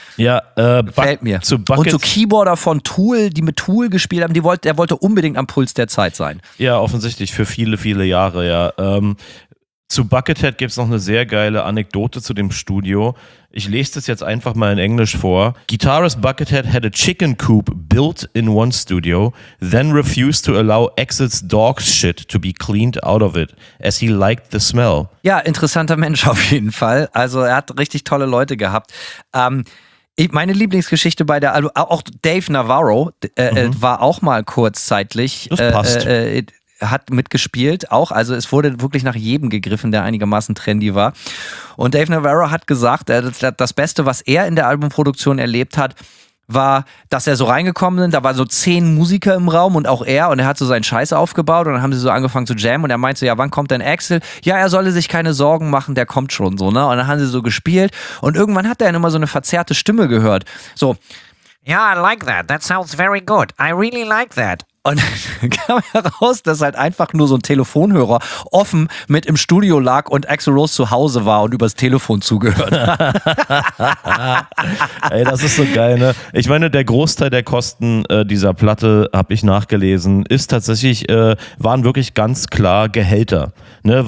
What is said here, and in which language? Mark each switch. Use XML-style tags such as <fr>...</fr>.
<de>Ja, fällt mir. Und zu Keyboarder von Tool, die mit Tool gespielt haben, der wollte unbedingt am Puls der Zeit sein. Ja, offensichtlich für viele, viele Jahre, ja. Zu Buckethead gibt's noch eine sehr geile Anekdote zu dem Studio. Ich lese das jetzt einfach mal in Englisch vor.</de> <en>Guitarist Buckethead had a chicken coop built in one studio, then refused to allow Axl's dog shit to be cleaned out of it, as he liked the smell.</en> <de>Ja, interessanter Mensch auf jeden Fall. Also er hat richtig tolle Leute gehabt. Meine Lieblingsgeschichte bei der, also auch Dave Navarro war auch mal kurzzeitig. Das passt. Hat mitgespielt auch, also es wurde wirklich nach jedem gegriffen, der einigermaßen trendy war. Und Dave Navarro hat gesagt, das Beste, was er in der Albumproduktion erlebt hat, war, dass er so reingekommen ist, da waren so 10 Musiker im Raum und auch er, und er hat so seinen Scheiß aufgebaut und dann haben sie so angefangen zu jammen und er meinte so, ja, wann kommt denn Axl? Ja, er solle sich keine Sorgen machen, der kommt schon so, ne? Und dann haben sie so gespielt und irgendwann hat er dann immer so eine verzerrte Stimme gehört. So,</de> <en>ja, yeah, I like that, that sounds very good, I really like that.</en> <de>Und kam heraus, dass halt einfach nur so ein Telefonhörer offen mit im Studio lag und Axl Rose zu Hause war und übers Telefon zugehört. Ey, das ist so geil, ne? Ich meine, der Großteil der Kosten dieser Platte, habe ich nachgelesen, ist tatsächlich, waren wirklich ganz klar Gehälter. Ne?</de>